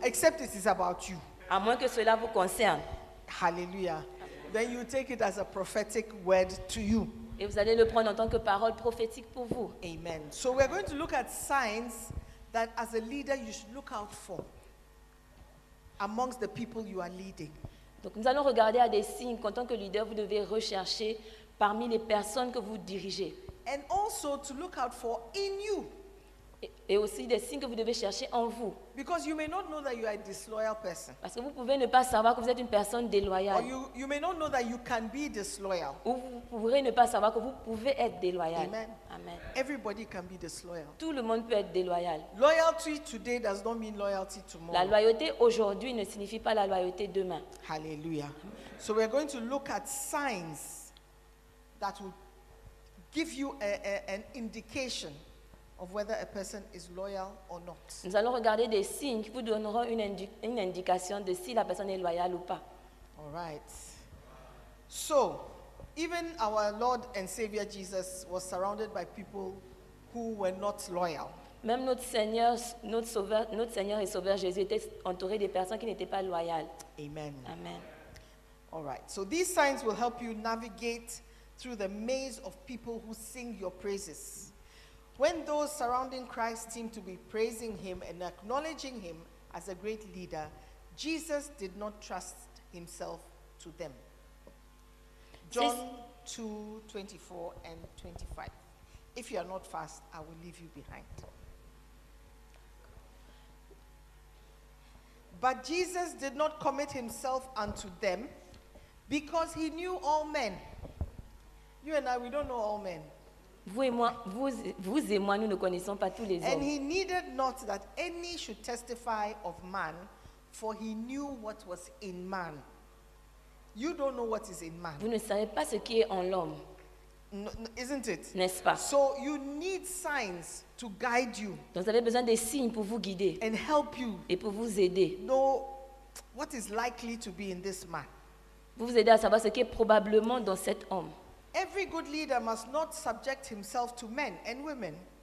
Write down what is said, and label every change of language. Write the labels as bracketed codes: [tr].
[en] Except it is about you. [fr] À moins que cela vous concerne. [en] Hallelujah. Then you take it as a prophetic word to you. [fr] Et vous allez le prendre en tant que parole prophétique pour vous. [en] Amen. So we're going to look at signs that as a leader you should look out for amongst the people you are leading. [fr] Donc nous allons regarder à des signes qu'en tant que leader vous devez rechercher parmi les personnes que vous dirigez. [en] And also to look out for in you. [fr] Et aussi des signes que vous devez chercher en vous. [en] Because you may not know that you are a disloyal person. [fr] Parce que vous pouvez ne pas savoir que vous êtes une personne déloyale. [en] Or you may not know that you can be disloyal. [fr] Ou vous pourrez ne pas savoir que vous pouvez être déloyal. [en] Amen. Amen. Everybody can be disloyal. [fr] Tout le monde peut être déloyal. [en] Loyalty today does not mean loyalty tomorrow. [fr] La loyauté aujourd'hui ne signifie pas la loyauté demain. [en] Hallelujah. So we are going to look at signs that will give you an indication of whether a person is loyal or not. [fr] Nous allons regarder des signes qui vous donneront une indication de si la personne est loyale ou pas. [en] All right. So, even our Lord and Savior Jesus was surrounded by people who were not loyal. [fr] Même notre Seigneur et Sauveur Jésus était entouré des personnes qui n'étaient pas loyales. [en] Amen. Amen. All right. So these signs will help you navigate through the maze of people who sing your praises. When those surrounding Christ seem to be praising him and acknowledging him as a great leader, Jesus did not trust himself to them. John 2:24 and 25. If you are not fast, I will leave you behind. But Jesus did not commit himself unto them because he knew all men. You and I, we don't know all men. [fr] Vous et moi, nous ne connaissons pas tous les hommes. [en] And he needed not that any should testify of man, for he knew what was in man. You don't know what is in man. [fr] Vous ne savez pas ce qui est en l'homme. [en] Isn't it? [fr] N'est-ce pas? [en] So you need signs to guide you. [fr] Donc vous avez besoin des signes pour vous guider. [en] And help you. [fr] Et pour vous aider. [en] Know what is likely to be in this man. [fr] Vous vous aidez à savoir ce qui est probablement dans cet homme. [en] Every good leader must not subject himself to men and women.